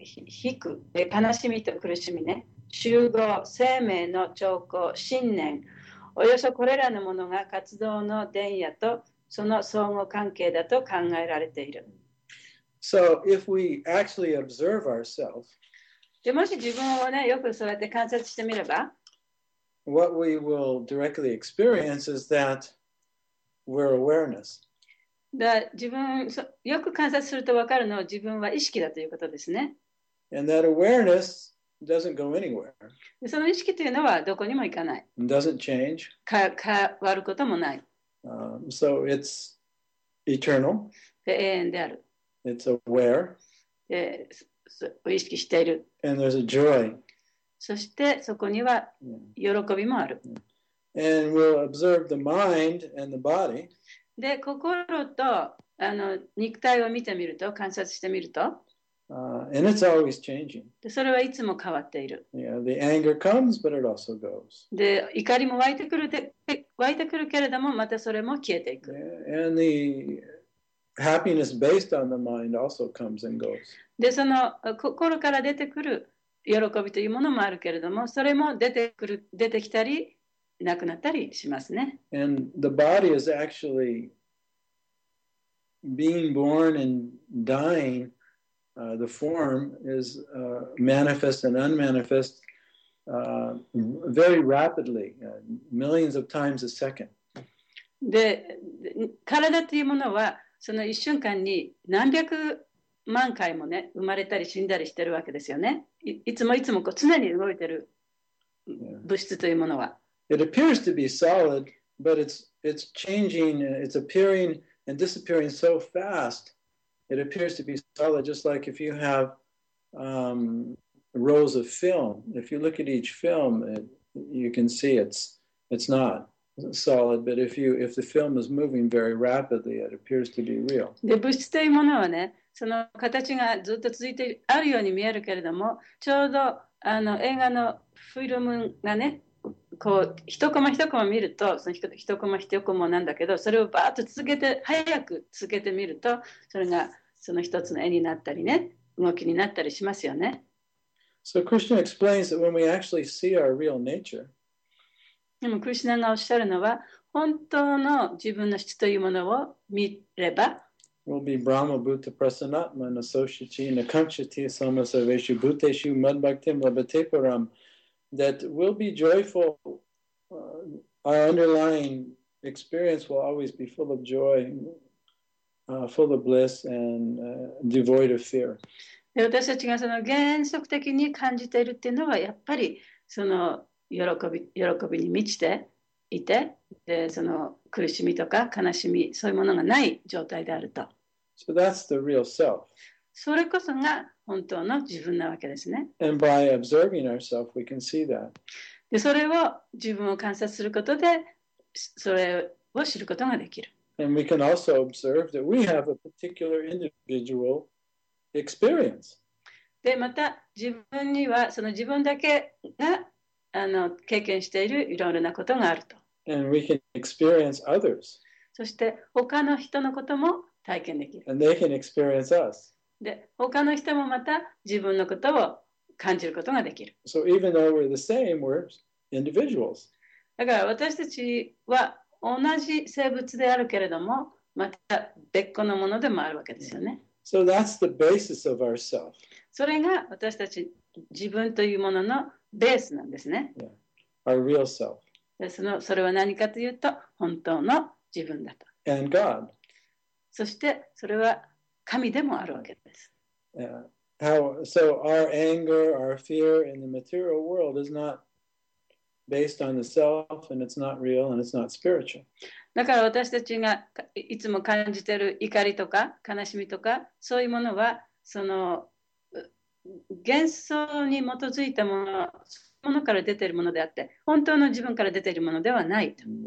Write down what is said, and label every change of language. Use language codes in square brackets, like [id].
[ja] 悲苦、悲しみと苦しみね、集合、生命の兆候、信念、およそこれらのものが活動の伝野とその相互関係だと考えられている。 [en] So if we actually observe ourselves, [ja] でもし自分をね、よくそうやって観察してみれば、 [en] what we will directly experience is that we're awareness. [ja] だ、自分、よく観察すると分かるのは自分は意識だということですね。 [en] And that awareness doesn't go anywhere. [ja] その意識というのはどこにも行かない。 [en] Doesn't change. [ja] 変わることもない。 [en] So it's eternal. [ja] で、永遠である。 [en] It's aware. [ja] で、意識している。 [en] And there's a joy. [ja] そしてそこには喜びもある。 [en] And we'll observe the mind and the body. [ja] で、心と肉体を見てみると、観察してみると。 [en] And it's always changing. [ja] で、それはいつも変わっている。 [en] Yeah, the anger comes, but it also goes. [ja] で、怒りも湧いてくるけれども、またそれも消えていく。 [en] Yeah, and the happiness based on the mind also comes and goes. [ja] で、その心から出てくる喜びというものもあるけれども、それも出てきたり、なくなったりしますね。 [en] And the body is actually being born and dying. The form is manifest and unmanifest very rapidly, millions of times a second. [ja] で、体というものはその一瞬間に何百万回もね、生まれたり死んだりしてるわけですよね。いつもこう常に動いてる物質というものは。 [en] Yeah. It appears to be solid, but it's changing, it's appearing and disappearing so fast. It appears to be solid, just like if you have rolls of film. If you look at each film, you can see it's not solid, but if the film is moving very rapidly, it appears to be real. [ja] で、物質というものはね、その形がずっと続いてあるように見えるけれども、ちょうど映画のフィルムがね、こう一コマ一コマ見ると、その一コマ一コマなんだけど、それをバーッと続けて、早く続けてみると、それがその一つの絵になったりね、動きになったりしますよね。 [en] So Krishna explains that when we actually see our real nature, [ja] でもクリシュナがおっしゃるのは、本当の自分の質というものを見れば、 [en] will be [sa] Brahma Bhuta Prasanatma and Associati and Akanchati Soma Sarveshu Bhuteshu Madbhaktim Labhateparam, [en] that will be joyful. Our underlying experience will always be full of joy, full of bliss, and devoid of fear. [ja] 私たちがその原則的に感じているっていうのは、やっぱりその喜びに満ちていて、で、その苦しみとか悲しみ、そういうものがない状態であると。 [en] So that's the real self. [ja] それこそが本当の自分なわけですね。 [en] And by observing ourselves, we can see that. [ja] で、それを自分を観察することで、それを知ることができる。 [en] And we can also observe that we have a particular individual experience. [ja] で、また自分にはその自分だけが経験しているいろいろなことがあると。 [en] And we can experience others. [ja] そして他の人のことも体験できる。 [en] And they can experience us. [ja] で、他の人もまた自分のことを感じることができる。 [en] So even though we're the same, we're individuals. [ja] だから私たちは同じ生物であるけれども、また別個のものでもあるわけですよね。 [en] So that's the basis of ourself. [ja] それが私たち自分というもののベースなんですね。 [en] Yeah. Our real self. [ja] で、それは何かというと、本当の自分だと。 [en] And God. [ja] そしてそれは神でもあるわけです。 [en] Yeah. How, so our anger, our fear in the material world is not based on the self, and it's not real, and it's not spiritual. [ja] だから私たちがいつも感じている怒りとか悲しみとかそういうものはその幻想に基づいたもの、そのものから出ているものであって本当の自分から出ているものではないと。